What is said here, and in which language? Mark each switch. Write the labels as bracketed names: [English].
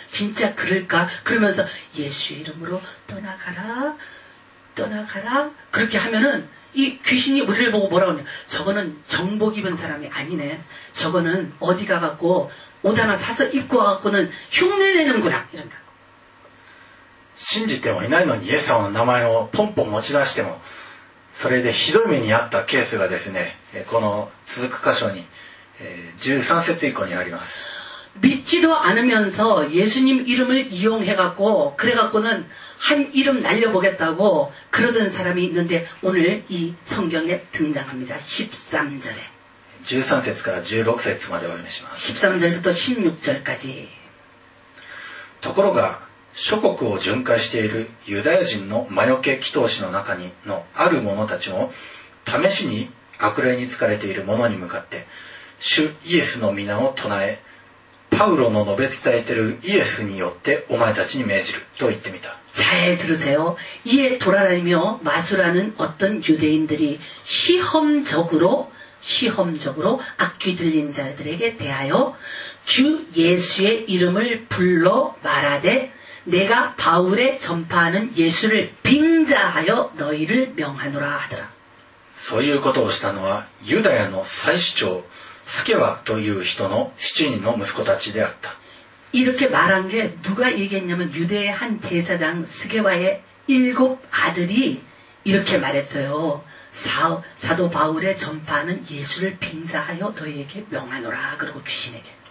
[Korean] 진짜 그럴까? 그러면서 예수 이름으로 떠나가라, 떠나가라. 그렇게 하면은 이 귀신이 우리를 보고 뭐라 하냐? 저거는 정복 입은 사람이 아니네. 저거는 어디 가갖고 옷 하나 사서 입고 와갖고는 흉내 내는구나. 이런다. [Japanese] 신지てもいないのに 예수의 이름을 펑펑 持ち出しても. それでひどい目にあったケースがですね、この続く箇所に13節以降にあります。 [Korean] 믿지도 않으면서 예수님 이름을 이용해갖고 그래갖고는 한 이름 날려보겠다고 그러던 사람이 있는데 오늘 이 성경에 등장합니다. 13절에 [Japanese] 13節から16節までお読みします。 [Korean] 13절부터 16절까지 [Japanese] ところが 諸国を巡回しているユダヤ人の魔除け祈祷師の中にのある者たちを試しに悪霊に憑かれている者に向かって主イエスの名を唱えパウロの述べ伝えているイエスによってお前たちに命じると言ってみた。 [Korean] 잘 들으세요. 이에 돌아다니며 마술하는 어떤 유대인들이 시험적으로 악귀 들린 자들에게 대하여 주 예수의 이름을 불러 말하되 내가 바울에 전파하는 예수를 빙자하여 너희를 명하노라 하더라. [Japanese] そういうことをしたのはユダヤの祭司長スケワという人の7人の息子たちであった。 [Korean] 이렇게 말한 게 누가 얘기했냐면 유대의 한 대사장 스게와의 일곱 아들이 이렇게 말했어요. 사도 바울의 전파하는 예수를 빙자하여 너희에게 명하노라 그러고 귀신에게.